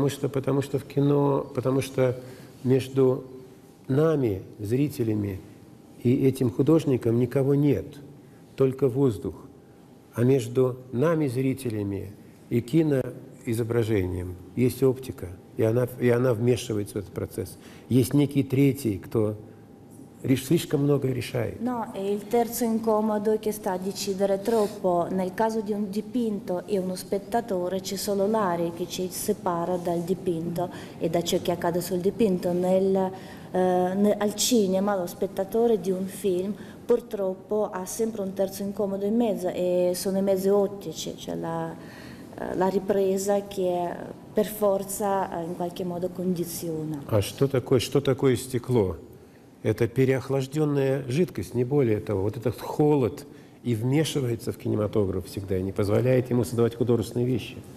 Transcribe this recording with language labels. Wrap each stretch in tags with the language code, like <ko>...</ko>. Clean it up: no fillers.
<ru>Потому что в кино, потому что между нами, зрителями, и этим художником никого нет, только воздух. А между нами, зрителями, и киноизображением есть оптика, и она вмешивается в этот процесс. Есть некий третий, кто слишком многое решает.</ru> <it>No, e il terzo incomodo che sta a decidere troppo. Nel caso di un dipinto e uno spettatore, c'è solo l'aria che ci separa dal dipinto e da ciò che accade sul dipinto. Al cinema, lo spettatore di un film, purtroppo, ha sempre un terzo incomodo in mezzo, e sono i mezzi ottici, cioè la ripresa che è per forza in qualche modo condiziona.</it> <ru>Что такое стекло? Это переохлажденная жидкость, не более того. Вот этот холод и вмешивается в кинематограф всегда, и не позволяет ему создавать художественные вещи.</ru>